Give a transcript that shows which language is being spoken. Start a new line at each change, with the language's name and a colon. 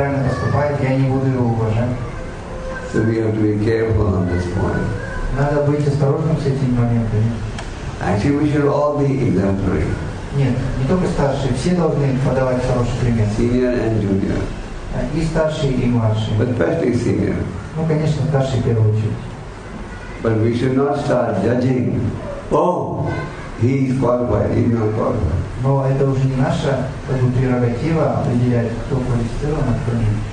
English: So we have to be careful on this point. Actually, we should all be exemplary.
Russian: Нет, не только старшие, все должны подавать хороший пример.
English: Senior and junior.
Russian: И старшие, и младшие.
English: But especially senior.
Russian: Ну, конечно, старшие в первую очередь.
English: But we should not start judging. Oh, he is qualified, he is not qualified.
Russian: Но это уже не наша, как бы, прерогатива определять, кто квалифицирован, а кто нет.